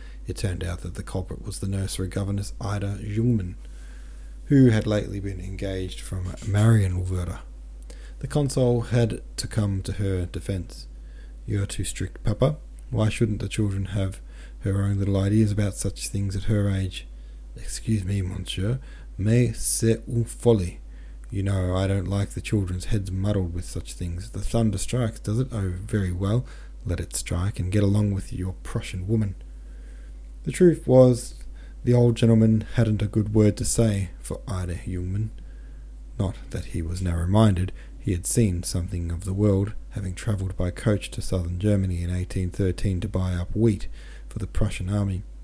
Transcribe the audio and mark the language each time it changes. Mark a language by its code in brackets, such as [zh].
[en] It turned out that the culprit was the nursery governess, Ida Jungmann, who had lately been engaged from Marion Wurder. The consul had to come to her defence. "You're too strict, Papa. Why shouldn't the children have her own little ideas about such things at her age?" "Excuse me, [fr] monsieur, mais c'est une folie. [en] You know, I don't like the children's heads muddled with such things. The thunder strikes, does it? Oh, very well. Let it strike and get along with your Prussian woman." The truth was, the old gentleman hadn't a good word to say for Ida Jungmann. Not that he was narrow-minded. He had seen something of the world, having travelled by coach to southern Germany in 1813 to buy up wheat for the Prussian army.